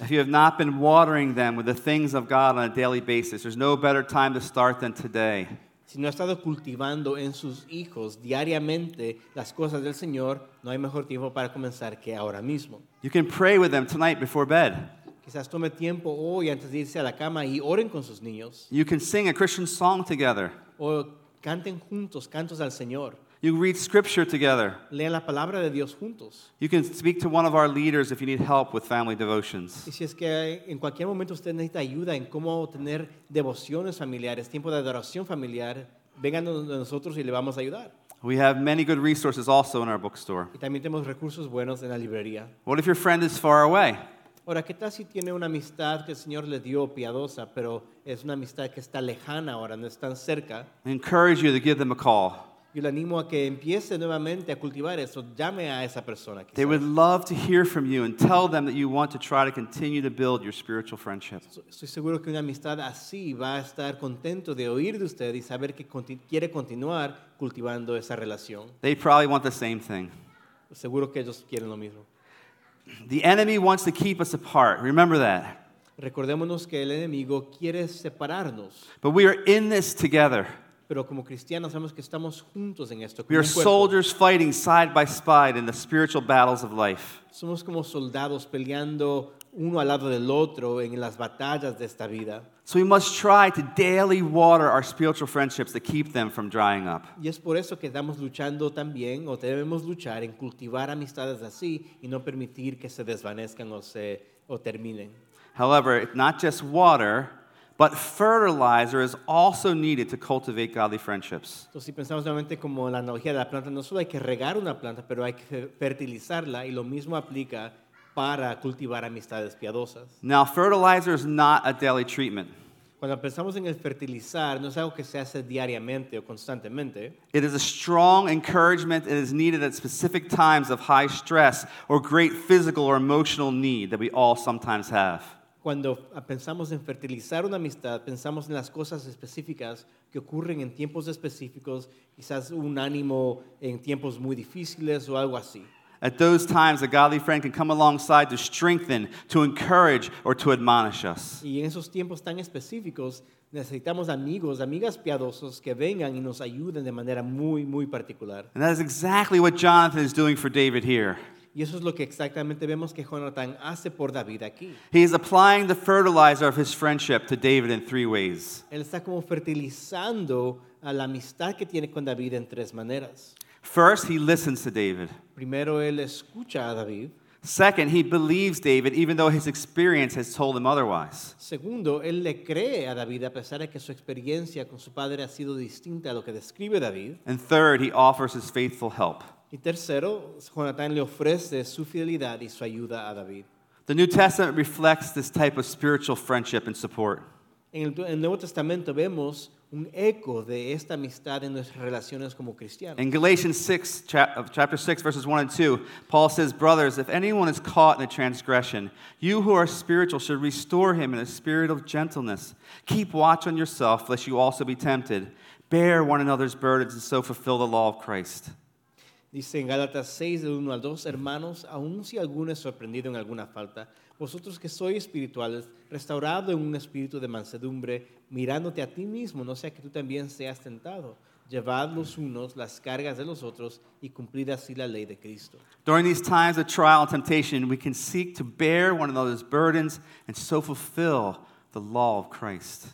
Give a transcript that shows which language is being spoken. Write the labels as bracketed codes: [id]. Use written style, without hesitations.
[en] If you have not been watering them with the things of God on a daily basis, there's no better time to start than today. [es] si no ha estado cultivando en sus hijos diariamente las cosas del Señor, no hay mejor tiempo para comenzar que ahora mismo. [en] You can pray with them tonight before bed. [es] Quizás tome tiempo hoy antes de irse a la cama y oren con sus niños. [en] You can sing a Christian song together. [es] O canten juntos cantos al Señor. [en] You read scripture together. [es] Lean la palabra de Dios juntos. [en] You can speak to one of our leaders if you need help with family devotions. [es] Y si es que en cualquier momento usted necesita ayuda en cómo tener devociones familiares, tiempo de adoración familiar, vengan donde nosotros y le vamos a ayudar. [en] We have many good resources also in our bookstore. [es] Y también tenemos recursos buenos en la librería. [en] What if your friend is far away? [es] Ahora, ¿qué tal si tiene una amistad que el Señor le dio piadosa, pero es una amistad que está lejana ahora, no es tan cerca? [en] I encourage you to give them a call. [es] Yo le animo a que empiece nuevamente a cultivar eso. Llame a esa persona. [en] They would love to hear from you and tell them that you want to try to continue to build your spiritual friendship. [es] Estoy seguro que una amistad así va a estar contento de oír de usted y saber que quiere continuar cultivando esa relación. [en] They probably want the same thing. [es] Seguro que ellos quieren lo mismo. [en] The enemy wants to keep us apart. Remember that. [es] Recordémonos que el enemigo quiere separarnos. [en] But we are in this together. [es] Pero como cristianos sabemos que estamos juntos en esto. [en] We are soldiers fighting side by side in the spiritual battles of life. [es] Somos como soldados peleando uno al lado del otro en las batallas de esta vida. [en] So we must try to daily water our spiritual friendships to keep them from drying up. [es] Y es por eso que estamos luchando también, o debemos luchar en cultivar amistades así y no permitir que se desvanezcan o terminen. [en] However, it's not just water. But fertilizer is also needed to cultivate godly friendships. [es] Entonces, si pensamos nuevamente como la analogía de la planta, no solo hay que regar una planta, pero hay que fertilizarla, y lo mismo aplica para cultivar amistades piadosas. [en] Now, fertilizer is not a daily treatment. [es] Cuando pensamos en el fertilizar, no es algo que se hace diariamente o constantemente. [en] It is a strong encouragement that is needed at specific times of high stress or great physical or emotional need that we all sometimes have. [es] Cuando pensamos en fertilizar una amistad, pensamos en las cosas específicas que ocurren en tiempos específicos, quizás un ánimo en tiempos muy difíciles o algo así. [en] At those times, a godly friend can come alongside to strengthen, to encourage, or to admonish us. [es] Y en esos tiempos tan específicos, necesitamos amigos, amigas piadosos que vengan y nos ayuden de manera muy, muy particular. [en] And that is exactly what Jonathan is doing for David here. [es] Y eso es lo que exactamente vemos que Jonathan hace por David aquí. [en] He is applying the fertilizer of his friendship to David in three ways. [es] Él está como fertilizando a la amistad que tiene con David en tres maneras. [en] First, he listens to David. [es] Primero, él escucha a David. [en] Second, he believes David even though his experience has told him otherwise. [es] Segundo, él le cree a David a pesar de que su experiencia con su padre ha sido distinta a lo que describe David. [en] And third, he offers his faithful help. [es] Y tercero, Jonathan le ofrece su fidelidad y su ayuda a David. [en] The New Testament reflects this type of spiritual friendship and support. [es] En el Nuevo Testamento vemos un eco de esta amistad en nuestras relaciones como cristianos. [en] In Galatians 6, chapter 6, verses 1 and 2, Paul says, "Brothers, if anyone is caught in a transgression, you who are spiritual should restore him in a spirit of gentleness. Keep watch on yourself, lest you also be tempted. Bear one another's burdens and so fulfill the law of Christ." [es] Dice en Gálatas 6, del 1 al 2, hermanos, aun si alguno es sorprendido en alguna falta, vosotros que sois espirituales, restaurado en un espíritu de mansedumbre, mirándote a ti mismo, no sea que tú también seas tentado. Llevad los unos las cargas de los otros y cumplid así la ley de Cristo. [en] During these times of trial and temptation, we can seek to bear one another's burdens and so fulfill the law of Christ.